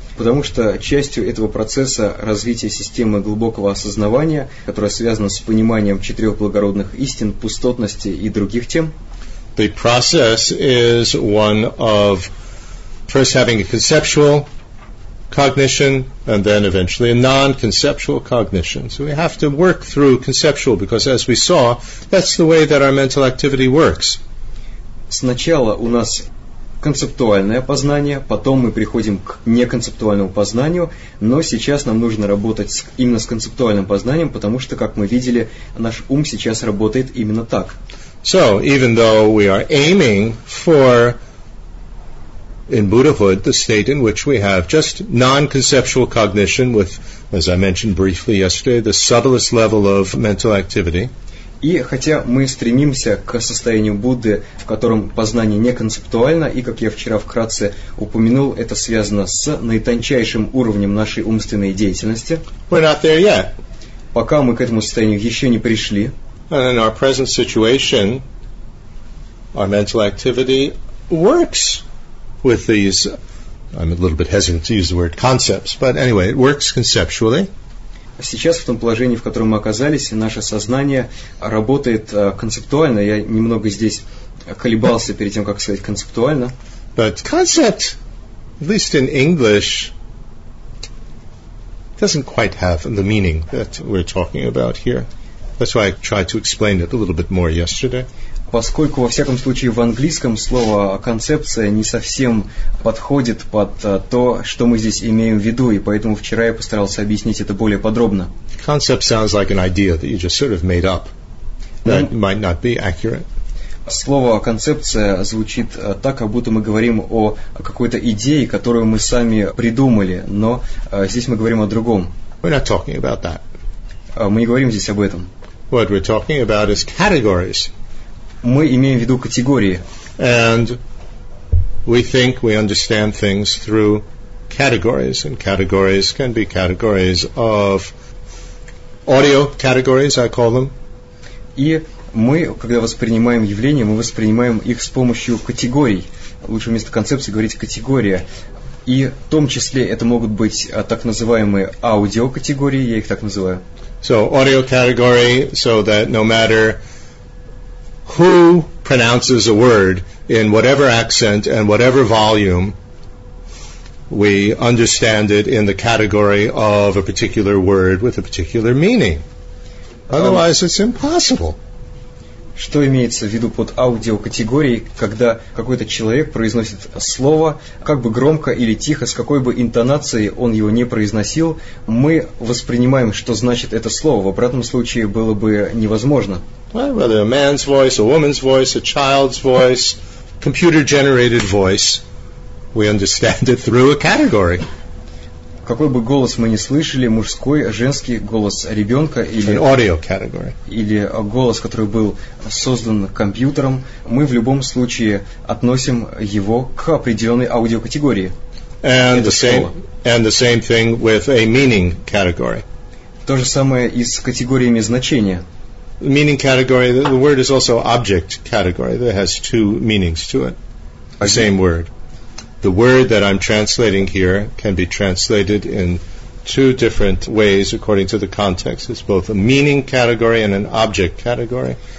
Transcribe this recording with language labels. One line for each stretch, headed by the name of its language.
Russian: Потому что частью этого процесса развития системы глубокого осознавания, которая связана с пониманием четырех благородных истин, пустотности и других тем,
English: the process is one of first having a conceptual cognition and then eventually a non-conceptual cognition. So we have to work through conceptual because, as we saw, that's the way that our mental activity works.
Russian: Сначала у нас концептуальное познание, потом мы приходим к неконцептуальному познанию, но сейчас нам нужно работать именно с концептуальным познанием, потому что, как мы видели, наш ум сейчас работает именно так.
English: So, even though we are aiming for, in Buddhahood, the state in which we have just non-conceptual cognition with, as I mentioned briefly yesterday, the subtlest level of mental activity.
Russian: И хотя мы стремимся к состоянию Будды, в котором познание не концептуально, и, как я вчера вкратце упомянул, это связано с наитончайшим уровнем нашей умственной деятельности.
English: We're not there yet.
Russian: Пока мы к этому состоянию еще не пришли.
English: And in our present situation, our mental activity works with these, I'm a little bit hesitant to use the word concepts, but anyway, it works conceptually.
Russian: Сейчас в том положении, в котором мы оказались, наше сознание работает концептуально. Я немного здесь колебался перед тем, как сказать концептуально.
English: But concept, at least in English, doesn't quite have the meaning that we're talking about here. That's why I tried to explain it a little bit more yesterday.
Russian: Поскольку, во всяком случае, в английском слово «концепция» не совсем подходит под то, что мы здесь имеем в виду, и поэтому вчера я постарался объяснить это более подробно.
English: Concept sounds like an idea that you just sort of made up. That might not be accurate.
Russian: Слово «концепция» звучит так, как будто мы говорим о какой-то идее, которую мы сами придумали, но здесь мы говорим о другом.
English: We're not talking about that.
Russian: Мы не говорим здесь об этом.
English: What we're talking about is categories.
Russian: Мы имеем в виду категории.
English: And we think we understand things through categories. And categories can be categories of audio categories, I call them.
Russian: И мы, когда воспринимаем явления, мы воспринимаем их с помощью категорий. Лучше вместо концепции говорить категория. И в том числе это могут быть так называемые аудиокатегории, я их так называю.
English: So audio category, so that no matter who pronounces a word in whatever accent and whatever volume, we understand it in the category of a particular word with a particular meaning. Otherwise, it's impossible.
Russian: Что имеется в виду под аудиокатегорией, когда какой-то человек произносит слово, как бы громко или тихо, с какой бы интонацией он его не произносил, мы воспринимаем, что значит это слово. В обратном случае было бы невозможно.
English: Whether a man's voice, a woman's voice, a child's voice, computer-generated voice, we understand it through a category.
Russian: Какой бы голос мы ни слышали, мужской, женский, голос ребенка или,
English: an audio category.
Russian: Или голос, который был создан компьютером, мы в любом случае относим его к определенной аудиокатегории.
English: And the same thing with a meaning category.
Russian: То же самое и с категориями значения.
English: Meaning category, the word is also object category. That has two meanings to it. The same word. The word that I'm translating here can be translated in two different ways according to the context. It's both a meaning category and an object category.